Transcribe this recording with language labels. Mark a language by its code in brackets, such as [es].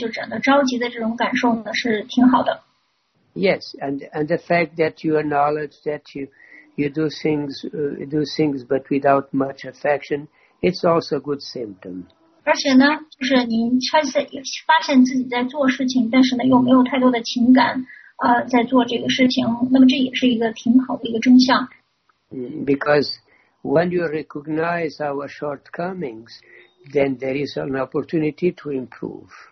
[zh] 首先呢，就是你现在这种感受，就是着急的这种感受呢，是挺好的。 [en] Yes, and the fact that you acknowledge that you do things but without much affection, it's also a good symptom. [zh] 而且呢，就是您发现自己在做事情，但是呢又没有太多的情感，在做这个事情，那么这也是一个挺好的一个征象。 [en] Because when you recognize our shortcomings, then there is an opportunity to improve.